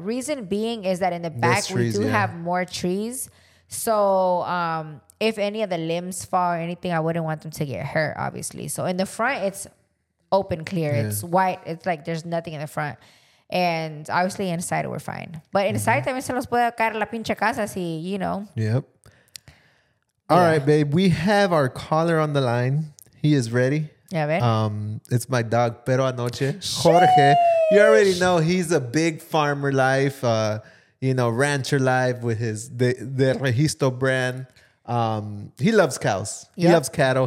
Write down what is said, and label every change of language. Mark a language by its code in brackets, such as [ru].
[en] Reason being is that in the back, we have more trees. So if any of the limbs fall or anything, I wouldn't want them to get hurt, obviously. So in the front, it's open, clear. Yeah. It's white. It's like there's nothing in the front. And obviously inside we're fine. But inside [es] también se nos puede caer la pinche casa si, [en] you know. Yep. All right, babe. We have our caller on the line. He is ready. Yeah, babe. It's my dog, Pero Anoche. Sheesh. Jorge. You already know he's a big farmer life, rancher life with his the Registro brand. He loves cows. Yep. He loves cattle.